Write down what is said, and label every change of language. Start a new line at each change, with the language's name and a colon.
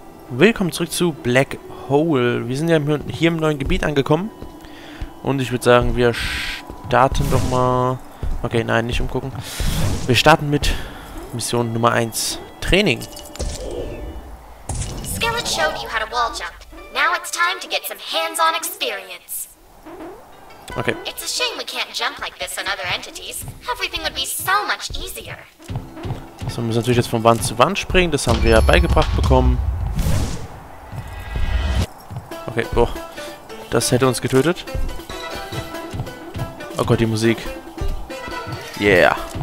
German: Willkommen zurück zu Black Hole. Wir sind ja hier im neuen Gebiet angekommen. Und ich würde sagen, wir starten doch mal. Okay, nein, nicht umgucken. Wir starten mit Mission Nummer 1. Training.
English: Skillet showed you how to wall jump. Now it's time to get some hands-on experience. Okay. It's a shame we can't jump like this on other entities. Everything would be so much easier.
German: So, wir müssen natürlich jetzt von Wand zu Wand springen. Das haben wir ja beigebracht bekommen. Okay, boah. Das hätte uns getötet. Oh Gott, die Musik. Yeah.